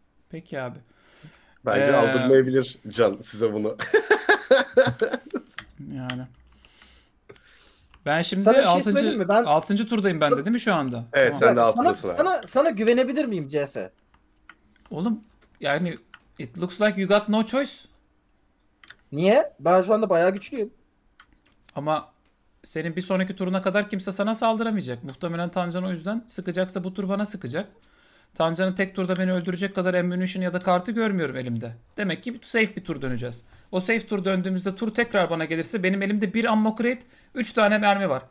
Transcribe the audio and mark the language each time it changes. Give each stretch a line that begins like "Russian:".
Turkish: Peki abi. Bence aldırmayabilir Can size bunu. yani. Ben şimdi şey 6. Ben... 6. turdayım ben de değil mi şu anda? Evet tamam. Sen de 6. Sana güvenebilir miyim CS? Oğlum yani
English: it looks like you got no choice.
Turkish: Niye? Ben şu anda bayağı güçlüyüm. Ama senin bir sonraki turuna kadar kimse sana saldıramayacak. Muhtemelen Tancan o yüzden sıkacaksa bu tur bana sıkacak. Tancan'ın tek turda beni öldürecek kadar ammunition ya da kartı görmüyorum elimde. Demek ki safe bir tur döneceğiz. O safe tur döndüğümüzde tur tekrar bana gelirse benim elimde bir ammo crate, 3 tane mermi var.